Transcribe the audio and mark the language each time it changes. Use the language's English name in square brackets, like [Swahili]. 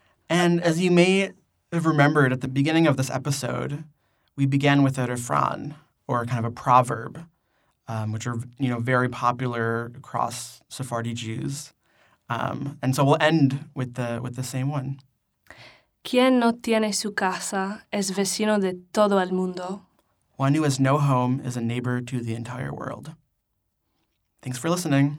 [English] And as you may have remembered at the beginning of this episode, we began with a refrán, or kind of a proverb, which are, you know, very popular across Sephardi Jews. And so we'll end with the same one. [Spanish] Quien no tiene su casa es vecino de todo el mundo. [English] One who has no home is a neighbor to the entire world. Thanks for listening.